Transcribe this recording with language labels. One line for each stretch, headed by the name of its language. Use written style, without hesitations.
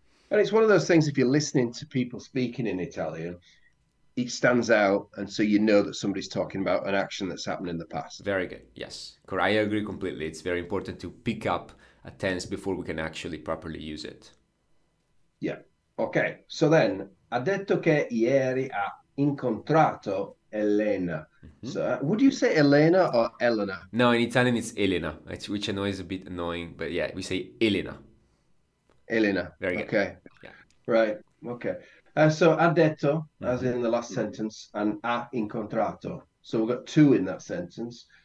English: And it's one of those things, if you're listening to people speaking in Italian, it stands out. And so you know that somebody's talking about an action that's happened in the past. Very good. Yes. I agree completely. It's very important to pick up a tense before we can actually properly use it. Yeah. Okay.
Italian: So then, ha detto che ieri ha incontrato Elena.
English: So would you say Elena or Elena? No, in Italian it's Elena, which I know is a bit annoying, but yeah, we say Elena. Elena. Very good. Okay, right. Okay. So
Italian: ha detto,
English: as in the last sentence, and
Italian: ha incontrato.
English: So we've got two in that sentence.